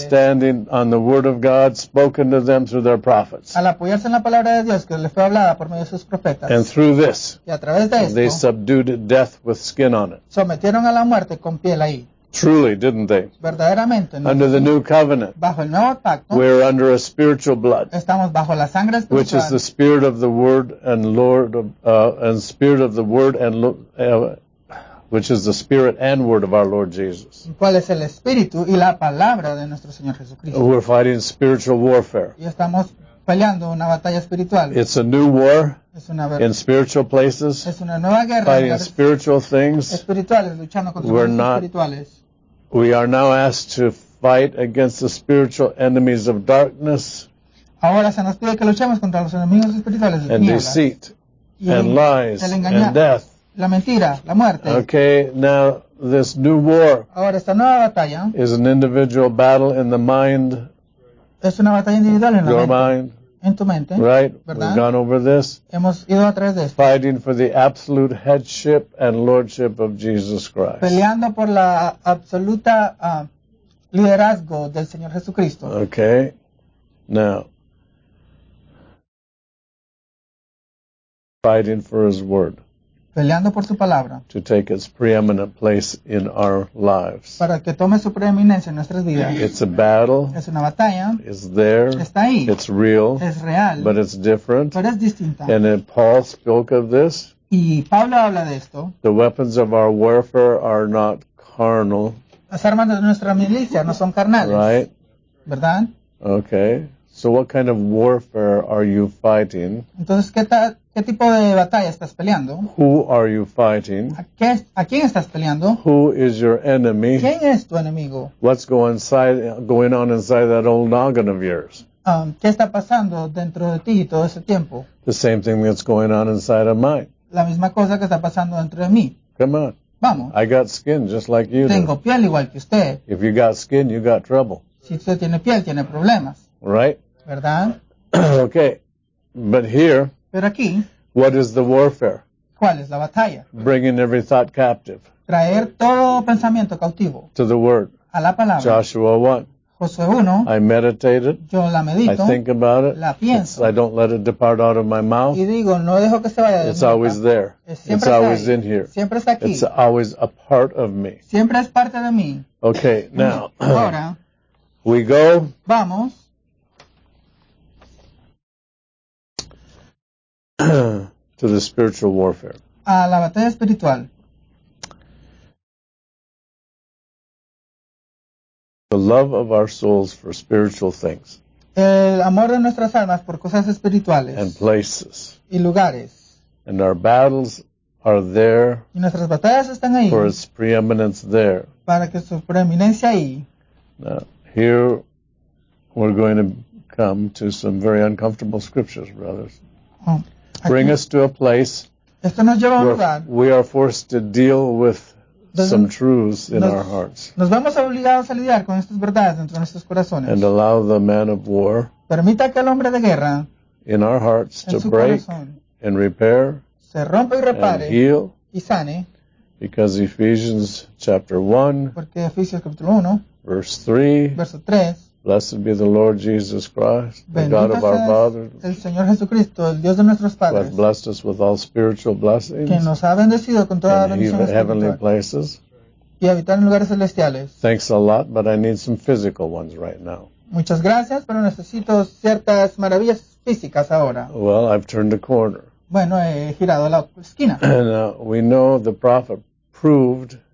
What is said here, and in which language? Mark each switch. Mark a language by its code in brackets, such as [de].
[en] standing on the word of God spoken to them through their prophets [es] al apoyarse en la palabra de Dios que les fue hablada por medio de sus profetas [en] and through this [es] y a través de esto, [en] they subdued death with skin on it [es] sometieron a la muerte con piel ahí. [en] Truly, didn't they? [es] Verdaderamente, [en] under the new covenant, [es] bajo el nuevo pacto, [en] we're under a spiritual blood, [es] estamos bajo la sangre espiritual, [en] which is the spirit of the word and Lord and spirit of the word and which is the spirit and word of our Lord Jesus. [es] ¿Cuál es el espíritu y la palabra de nuestro Señor Jesucristo? [en] We're fighting spiritual warfare. [es] Y estamos peleando una batalla espiritual. [en] It's a new war. [es] Es una [en] in spiritual places. [es] Es una nueva guerra. [en] Fighting spiritual things. [es] Espirituales luchando contra [en] we're [es] cosas [en] not, [es] espirituales. [en] We are now asked to fight against the spiritual enemies of darkness. [es] Ahora se nos pide que luchemos contra los enemigos espirituales [en] and deceit and lies and death. [es] La mentira, la muerte. [en] Okay, now this new war [es] ahora, esta nueva batalla [en] is an individual battle in the mind. [es] Es una batalla individual en [en] your [es] la mente. [en] Mind. [es] En tu mente. [en] Right? [es] ¿Verdad? [en] We've gone over this. [es] Hemos ido a través de esto. [en] Fighting for the absolute headship and lordship of Jesus Christ. [es] Peleando por la absoluta liderazgo del Señor Jesucristo. [en] Okay. Now. Fighting for his word. [es] Peleando por su palabra. [en] To take its preeminent place in our lives. [es] Para que tome su preeminencia en nuestras vidas. [en] It's a battle. [es] Es una batalla. [en] It's there. [es] Está ahí. [en] It's real. [es] Es real. [en] But it's different. [es] Pero es distinta. [en] And then Paul spoke of this. [es] Y Pablo habla de esto. [en] The weapons of our warfare are not carnal. [es] Las armas de nuestra milicia no son carnales. [en] Right. [es] ¿Verdad? [en] Okay. So what kind of warfare are you fighting? [es] Entonces, ¿qué tipo de batalla estás peleando? [en] Who are you fighting? [es] ¿A quién estás peleando? [en] Who is your enemy? [es] ¿Quién es tu enemigo? [en] What's going on inside that old noggin of yours? [es] ¿Qué está pasando dentro de ti todo ese tiempo? [en] The same thing that's going on inside of mine. [es] La misma cosa que está pasando dentro de mí. [en] Come on. [es] Vamos. [en] I got skin just like you [es] tengo [en] do. [es] Piel igual que usted. [en] If you got skin, you got trouble. [es] Si usted tiene piel, tiene problemas. [en] Right? [es] ¿Verdad? [en] Okay. But here, [es] pero aquí, [en] what is the warfare? [es] ¿Cuál es la batalla? [en] Bringing every thought captive. [es] Traer todo pensamiento cautivo. [en] To the word. [es] A la palabra. [en] Joshua 1. [es] Josué 1. [en] I meditate it. [es] Yo la medito. [en] I think about it. [es] La pienso. [en] I don't let it depart out of my mouth. [es] Y digo, no dejo que se vaya de [en] it's always [es] boca. [en] There. [es] Siempre [en] it's [es] está [en] always [es] ahí. [en] In here. [es] Siempre está aquí. [en] It's always a part of me. [es] Siempre es parte de mí. [en] Okay, now. [es] Ahora. [en] We go. [es] Vamos. [en] To the spiritual warfare. [es] A la batalla espiritual. [en] The love of our souls for spiritual things. [es] El amor de nuestras almas por cosas espirituales. [en] And places. [es] Y lugares. [en] And our battles are there. [es] Y nuestras batallas están ahí. [en] For its preeminence there. [es] Para que su preeminencia ahí. [en] Now, here we're going to come to some very uncomfortable scriptures, brothers. Oh. Bring us to a place [es] Esto nos lleva a un lugar. [en] We are forced to deal with some truths in our hearts. [es] Nos vamos obligados a lidiar con estas verdades dentro de nuestros corazones. [en] And allow the man of war. [es] Permita que el hombre de guerra. [en] In our hearts to break and repair. [es] Se rompa y repare. [en] And heal. [es] Y sane. [en] Because Ephesians chapter 1. [es] Porque Efesios capítulo 1. [en] Verse 3. [es] Verso 3. [en] Blessed be the Lord Jesus Christ, the God of our fathers. [es] El Señor Jesucristo, el Dios de nuestros padres. [en] Who has blessed us with all spiritual blessings. [es] Que nos ha bendecido con toda bendición espiritual. [en] In heavenly places. [es] Y habitar en lugares celestiales. [en] Thanks a lot, but I need some physical ones right now. [es] Muchas gracias, pero necesito ciertas maravillas físicas ahora. [en] Well, I've turned a corner. [es] Bueno, he girado la esquina. [en] And we know the prophet proved.